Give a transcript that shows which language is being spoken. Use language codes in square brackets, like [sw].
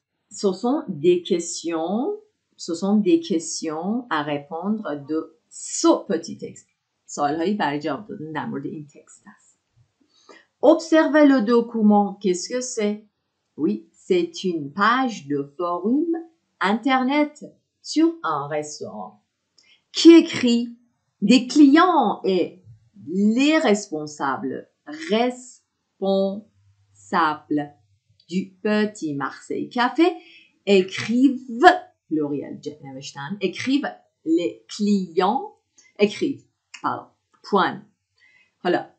[fr] Ce sont des questions, ce sont des questions à répondre de ce petit texte. [fa] سوال‌هایی برای جواب دادن در مورد این تکست است. [fr] Observez le document. Qu'est-ce que c'est? Oui, c'est une page de forum internet sur un restaurant. Qui écrit? Des clients et les responsables. Responsables du Petit Marseille Café écrivent, pluriel, écrivent les clients, écrivent. Pardon. Point. Voilà.